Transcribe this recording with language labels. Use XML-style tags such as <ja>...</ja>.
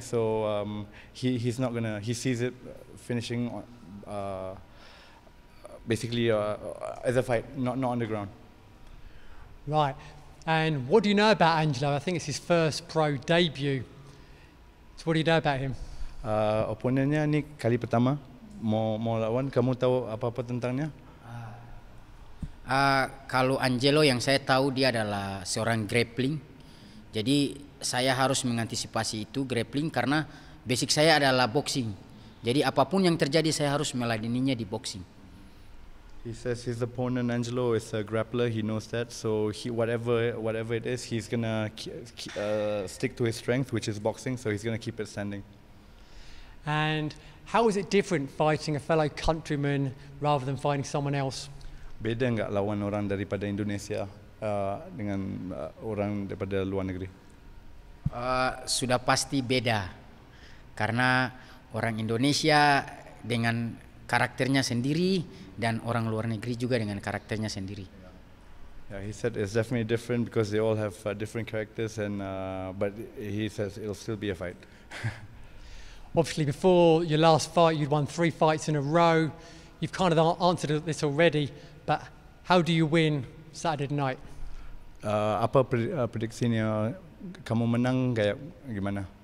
<en>So he's not going to, he sees it finishing as a fight, not on the ground. Right, and what do you know about Angelo? I think it's his first pro debut. So what do you know about him?</en> <id>Opponentnya ni kali pertama. Mau lawan, kamu tahu apa-apa tentangnya? Kalau Angelo, yang saya tahu dia adalah seorang grappling. Jadi saya harus mengantisipasi itu grappling, karena basic saya adalah boxing. Jadi apapun yang terjadi, saya harus meladeninya di boxing.</id> <en>He says his opponent Angelo is a grappler. He knows that, so whatever it is, he's gonna stick to his strength, which is boxing. So he's gonna keep it standing. And how is it different fighting a fellow countryman rather than fighting someone else?</en> <id>Beda enggak lawan orang daripada Indonesia dengan orang daripada luar negeri? Sudah pasti beda, karena orang Indonesia dengan karakternya sendiri dan orang luar negeri juga dengan karakternya sendiri.</id> <en>Yeah, he said it's definitely different because they all have different characters, and but he says it'll still be a fight. Obviously, before your last fight, you'd won 3 fights in a row. You've kind of answered this already, but how do you win Saturday night?</en> <id>Apa prediksinya kamu menang kayak gimana?</id>